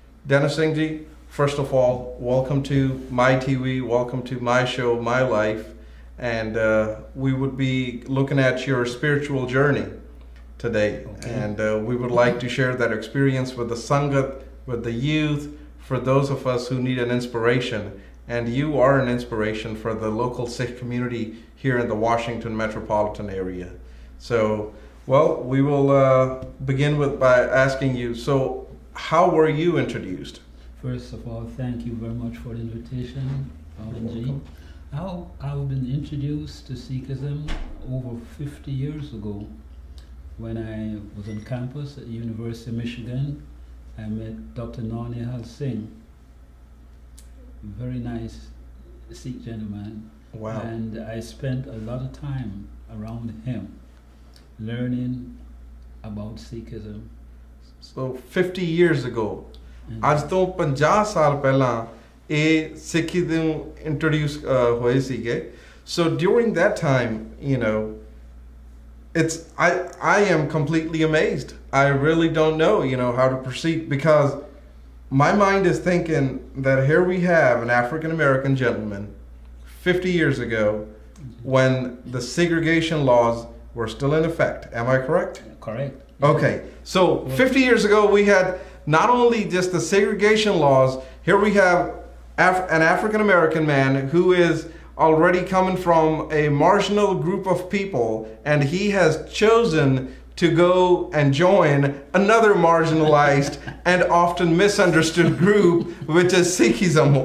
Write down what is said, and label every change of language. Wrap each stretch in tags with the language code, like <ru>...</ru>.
<en>Dennis Singh ji, first of all welcome to my T V, welcome to my show My Life, and we would be looking at your spiritual journey today, and we would like to share that experience with the sangat, with the youth, for those of us who need an inspiration, and you are an inspiration for the local Sikh community here in the Washington metropolitan area. So Well, we will begin with by asking you, so how were you introduced? First of all, thank you very much for the invitation, Pawanji. How I've been introduced to Sikhism over 50 years ago, when I was on campus at the University of Michigan, I met Dr. Narnihal Singh, very nice Sikh gentleman. Wow. And I spent a lot of time around him, learning about Sikhism. So 50 years ago,</en> <pa>ਅੱਜ ਤੋਂ 50 ਸਾਲ ਪਹਿਲਾਂ ਇਹ ਸਿੱਖੀ ਨੂੰ introduce ਹੋਏ ਸੀਗੇ।</pa> <en>So during that time, you know, it's I am completely amazed, I really don't know, you know, how to proceed, because my mind is thinking that here we have an African American gentleman 50 years ago when the segregation laws were still in effect. Am I correct? Correct. Okay. So 50 years ago, we had not only just the segregation laws, here we have an African-American man who is already coming from a marginal group of people, and he has chosen to go and join another marginalized and often misunderstood group, which is Sikhism.</en>